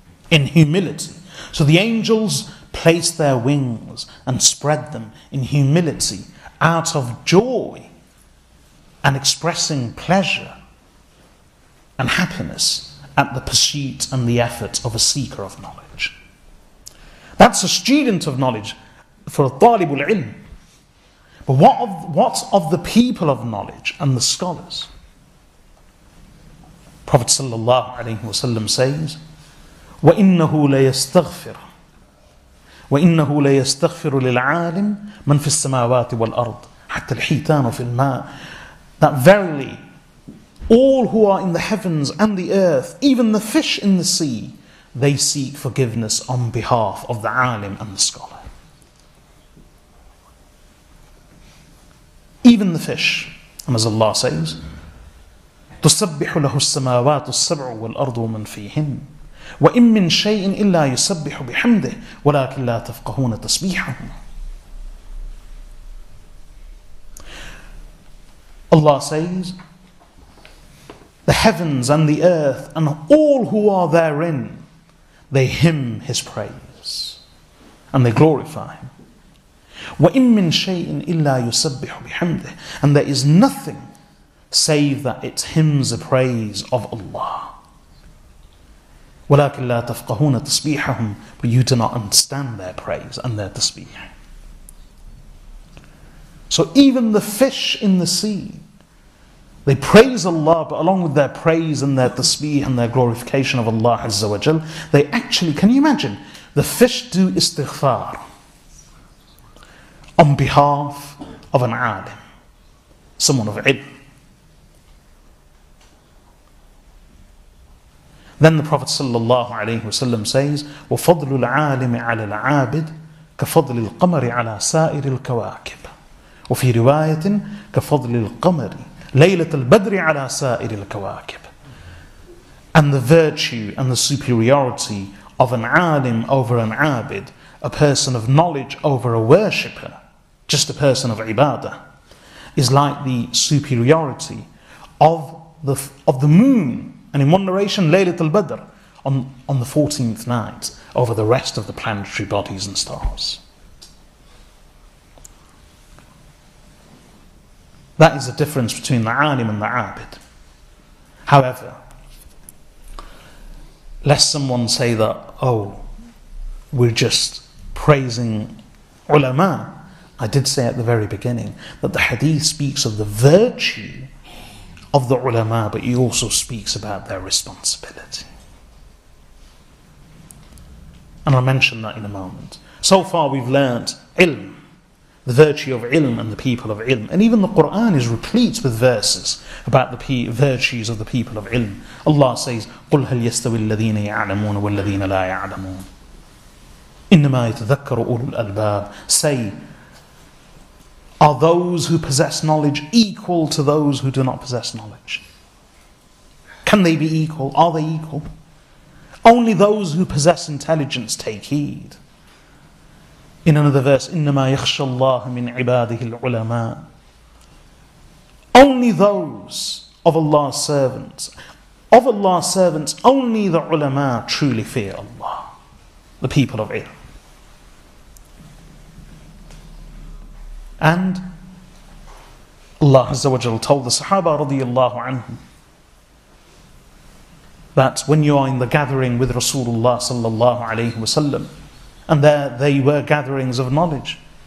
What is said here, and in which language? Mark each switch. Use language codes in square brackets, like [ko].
[en] In humility. So the angels place their wings and spread them in humility out of joy and expressing pleasure and happiness at the pursuit and the effort of a seeker of knowledge. That's a student of knowledge for a talibul ilm. But what of the people of knowledge and the scholars? Prophet sallallahu alaihi wasallam says, [ar] وَإِنَّهُ لَيَسْتَغْفِرُ وَإِنَّهُ لَيَسْتَغْفِرُ لِلْعَالِمْ مَنْ فِي السَّمَاوَاتِ وَالْأَرْضِ حَتَّى الْحِيْتَانُ فِي الْمَاءِ. [en] That verily, all who are in the heavens and the earth, even the fish in the sea, they seek forgiveness on behalf of the alim and the scholar. Even the fish, and as Allah says, [ar] تُسَبِّحُ لَهُ السَّمَاوَاتُ السَّبْعُ وَالْأَرْضُ وَمَنْ فِيهِنْ وَإِن مِّن شَيْءٍ إِلَّا يُسَبِّحُ بِحَمْدِهِ وَلَكِنْ لَا تَفْقَهُونَ تَسْبِيحَهُمْ. [en] Allah says, the heavens and the earth and all who are therein, they hymn His praise and they glorify Him. [ar] وَإِن مِّن شَيْءٍ إِلَّا يُسَبِّحُ بِحَمْدِهِ. [en] And there is nothing save that it hymns the praise of Allah. [ar] وَلَكِنْ لَا تَفْقَهُونَ تَسْبِيحَهُمْ. [en] But you do not understand their praise and their tasbih. So even the fish in the sea, they praise Allah, but along with their praise and their tasbih and their glorification of Allah Azza wa Jal, they actually, can you imagine, the fish do istighfar on behalf of an alim, someone of ilm. Then the Prophet sallallahu alaihi wasallam says, [ar] وَفَضْلُ الْعَالِمِ عَلَى الْعَابِدِ كَفَضْلِ الْقَمَرِ عَلَى سَائِرِ الْكَوَاكِبِ وَفِي رِوَايَةٍ كَفَضْلِ الْقَمَرِ لَيْلَةَ الْبَدْرِ عَلَى سَائِرِ الْكَوَاكِبِ. [en] And the virtue and the superiority of an alim over an abid, a person of knowledge over a worshipper, just a person of ibadah, is like the superiority of the moon. And in one narration, Laylatul Badr, on the 14th night, over the rest of the planetary bodies and stars. That is the difference between the alim and the abid. However, lest someone say that, oh, we're just praising ulama, I did say at the very beginning that the hadith speaks of the virtue of the ulama, but he also speaks about their responsibility. And I'll mention that in a moment. So far we've learnt ilm, the virtue of ilm and the people of ilm. And even the Qur'an is replete with verses about the virtues of the people of ilm. Allah says, [ar] قُلْ هَلْ يَسْتَوِي الَّذِينَ يَعْلَمُونَ وَالَّذِينَ لَا يَعْلَمُونَ إِنَّمَا يَتَذَكَّرُ أُولُو الْأَلْبَابِ. [en] Say, are those who possess knowledge equal to those who do not possess knowledge? Can they be equal? Are they equal? Only those who possess intelligence take heed. In another verse, [ar] إِنَّمَا يَخْشَى اللَّهَ مِنْ عِبَادِهِ الْعُلَمَاءِ. [en] Only those of Allah's servants, only the ulama truly fear Allah, the people of ilm. And Allah Azza wa Jal told the Sahaba radiyallahu anhum that when you are in the gathering with Rasulullah sallallahu alayhi wa sallam, and they were gatherings of knowledge.